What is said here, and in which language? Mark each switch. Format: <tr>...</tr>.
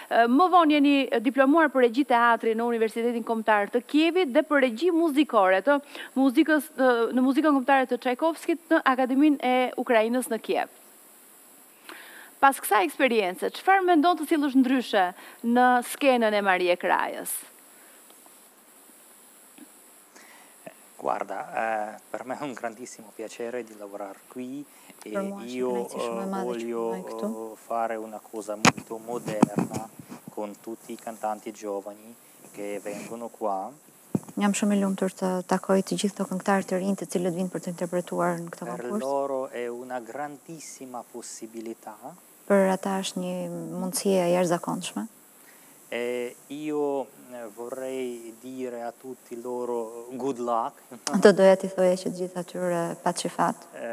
<sq>Më vonë jeni diplomuar për regji teatri në Universitetin Kombëtar të Kievit dhe për regji muzikore të muzikës në muzikën kombëtare të Çajkovskit në Akademinë e Ukrainës në Kiev. Pas kësa eksperiencë, çfarë mendon të cilësh ndryshe në skenën e Marie Krajës?</sq> <it>Guarda, per me è un grandissimo piacere di lavorare qui e io voglio fare una cosa molto moderna con tutti i cantanti giovani che vengono qua.</it> <sq>Jam shumë e lumtur të takoj të gjithë këto këngëtarë të rinj të cilët vinë për të interpretuar në këtë konkurs.</sq> <it>Per loro è una grandissima possibilità.</it> <sq>Për ata është një mundësi e jashtëzakonshme.</sq> <it>E io vorrei dire a tutti loro</it> <en>good luck.</en> <sq>Do doja t'i thoja që gjithë atyre paçi që fat.</sq>